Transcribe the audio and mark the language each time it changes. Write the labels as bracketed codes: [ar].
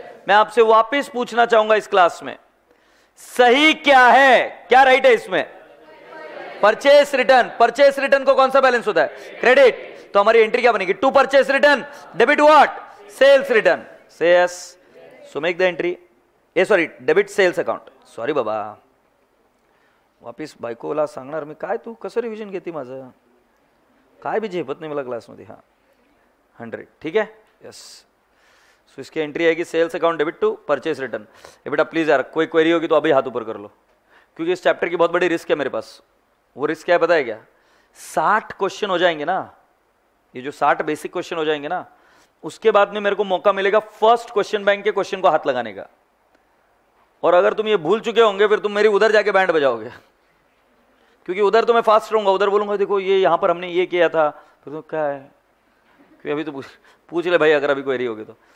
[hi] मैं आपसे वापिस पूछना चाहूंगा इस क्लास में, सही क्या है, क्या राइट है इसमें, परचेस रिटर्न। परचेस रिटर्न को कौन सा बैलेंस होता है, क्रेडिट। तो हमारी एंट्री क्या बनेगी, to purchase return debit what, sales return, से yes. [en] so make the entry, a sorry debit sales account, [mr] sorry बाबा, वापिस बायकोला सांगणार मी काय, तू कसं रिव्हिजन घेते माझं, काय भी झेपत नाही मला क्लासमध्ये, हा 100, ठीक आहे, यस। [hi] सो इसकी एंट्री आएगी sales account debit to purchase return. ए बेटा प्लीज यार, कोई क्वेरी होगी तो अभी हाथ ऊपर कर लो, क्योंकि इस चैप्टर की बहुत बड़ी रिस्क है मेरे पास। वो रिस्क क्या है पता है क्या, 60 क्वेश्चन हो जाएंगे ना, ये जो 60 बेसिक क्वेश्चन हो जाएंगे ना, उसके बाद में मेरे को मौका मिलेगा फर्स्ट क्वेश्चन बैंक के क्वेश्चन को हाथ लगाने का, और अगर तुम ये भूल चुके होंगे फिर तुम मेरी उधर जाके बैंड बजाओगे, क्योंकि उधर तो मैं फास्ट रहूंगा, उधर बोलूंगा देखो ये यहां पर हमने ये किया था, फिर तो क्या है, क्योंकि अभी तो पूछ ले भाई, अगर अभी क्वेरी होगी तो।